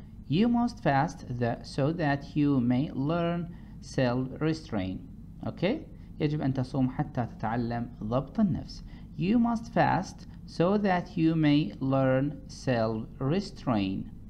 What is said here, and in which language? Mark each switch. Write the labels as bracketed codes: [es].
[en] You must fast so that you may learn self-restraint. Okay? [ar] يجب أن تصوم حتى تتعلم ضبط النفس. [en] You must fast so that you may learn self-restraint.